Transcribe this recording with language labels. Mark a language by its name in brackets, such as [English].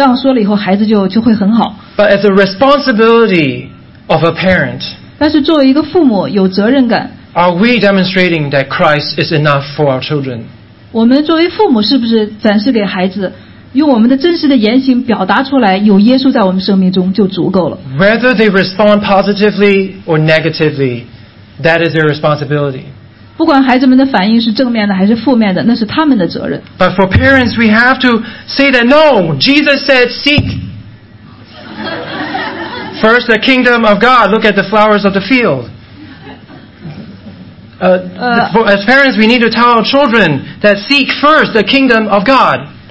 [Chinese] 我并不是说只要父母们对孩子们教导说有耶稣基督就足够了，你这样说了以后，孩子就会很好。But [English] as a responsibility of a parent, [Chinese] 但是作为一个父母有责任感。Are [English] we demonstrating that Christ is enough for our children? [Chinese] 我们作为父母是不是展示给孩子，用我们的真实的言行表达出来，有耶稣在我们生命中就足够了。Whether [English] they respond positively or negatively, that is their responsibility. [Chinese] 不管孩子们的反应是正面的还是负面的,那是他们的责任。 [English] But for parents, we have to say that no, Jesus said seek first the kingdom of God. Look at the flowers of the field. As parents, we need to tell our children that seek first the kingdom of God.